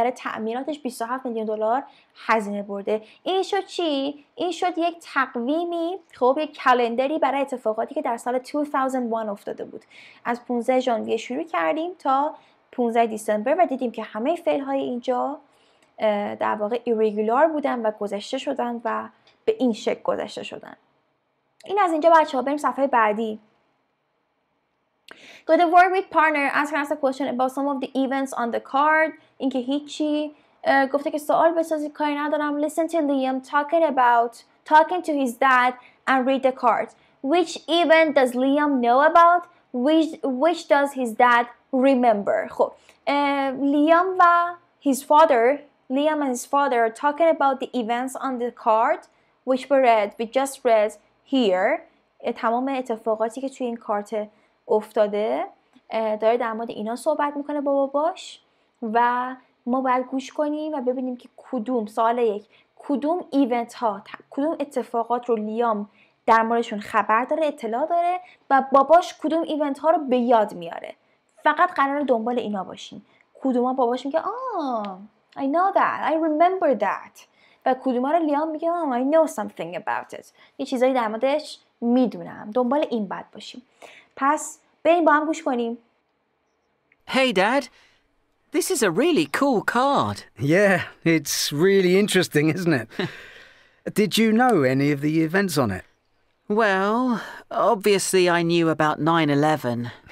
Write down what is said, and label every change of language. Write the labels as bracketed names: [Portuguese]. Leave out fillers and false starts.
[Persian] برای تعمیراتش 27 میلیون دلار هزینه برده. این شد چی؟ این شد یک تقویمی، خب یک کلندری برای اتفاقاتی که در سال 2001 افتاده بود. از 15 ژانویه شروع کردیم تا 15 دسامبر و دیدیم که همه فعل‌های اینجا در واقع ایرگولار بودن و گذشته شدن و به این شکل گذشته شدن. این از اینجا بچه‌ها. بریم صفحه بعدی. [English] Go to work with partner. Ask a question about some of the events on the card. [Persian] اینکه هیچی گفته که سوال بسازی کاری ندارم. [English] Listen to Liam talking to his dad and read the card. Which event does Liam know about? Which does his dad remember? خب Liam و his father, Liam and his father are talking about the events on the card which we just read here. [Persian] تمام اتفاقاتی که توی این کارت افتاده داره در مورد اینا صحبت میکنه با باباش و ما باید گوش کنیم و ببینیم که کدوم سوال یک کدوم ایونت ها کدوم اتفاقات رو لیام در موردشون خبر داره اطلاع داره و باباش کدوم ایونت ها رو به یاد میاره. فقط قرار دنبال اینا باشیم کدوم ها باباش میگه [English] I know that, I remember that [Persian] و کدوم ها رو لیام میگه [English] I know something about it [Persian] یه چیزایی در موردش میدونم. دنبال این باید باشیم. پس بریم با هم گوش کنیم. [English] Hey dad, this is a really cool card. Yeah, it's really interesting, isn't it? Did you know any of the events on it? Well, obviously I knew about 9/11.